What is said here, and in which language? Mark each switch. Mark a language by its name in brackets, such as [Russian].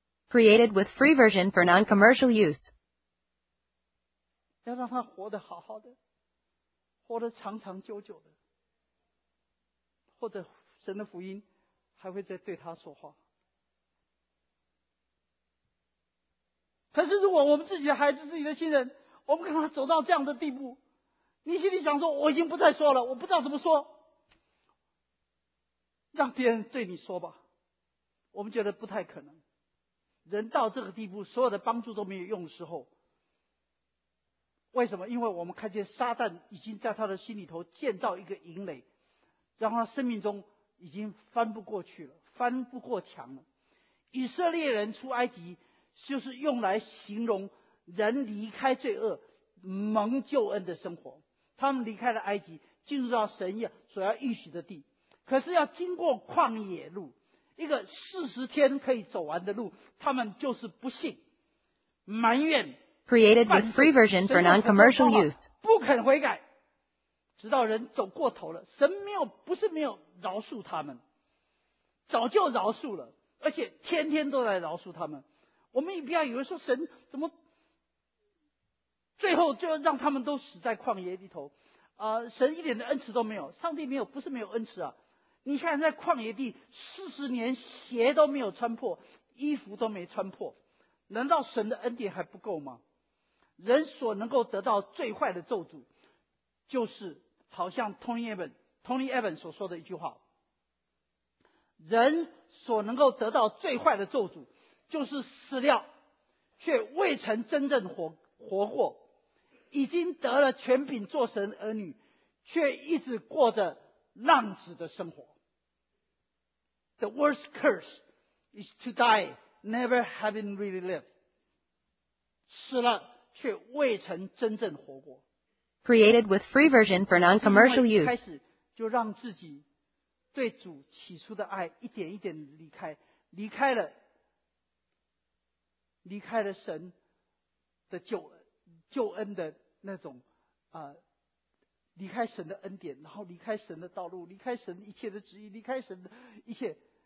[Chinese] Created with free version for non-commercial use. 要让他活得好好的，活得长长久久的，或者神的福音还会再对他说话。可是如果我们自己的孩子、自己的亲人，我们跟他走到这样的地步，你心里想说，我已经不再说了，我不知道怎么说，让别人对你说吧。我们觉得不太可能，人到这个地步，所有的帮助都没有用的时候，为什么？因为我们看见撒旦已经在他的心里头建造一个营垒，然后他生命中已经翻不过去了，翻不过墙了。以色列人出埃及就是用来形容人离开罪恶蒙救恩的生活，他们离开了埃及，进入到神所要应许的地，可是要经过旷野路，一个40天可以走完的路，他们就是不信，埋怨。 Created with free version for non-commercial use. 不肯悔改，直到人走过头了，神没有，不是没有饶恕他们，早就饶恕了，而且天天都在饶恕他们。我们也不要以为说神怎么最后就让他们都死在旷野里头神一点的恩慈都没有，上帝没有，不是没有恩慈啊。你看在旷野地40年，鞋都没有穿破，衣服都没穿破，难道神的恩典还不够吗？人所能够得到最坏的咒诅，就是好像 Tony Evans 所说的一句话，人所能够得到最坏的咒诅，就是死掉却未曾真正活过，已经得了权柄做神儿女，却一直过着浪子的生活。 [English] The worst curse is to die never having really lived. [Chinese] 死了却未曾真正活过。 Created with free version for non-commercial use. 开始就让自己对主起初的爱一点一点离开，离开了神的救恩的那种离开神的恩典，然后离开神的道路，离开神一切的旨意，离开神的一切。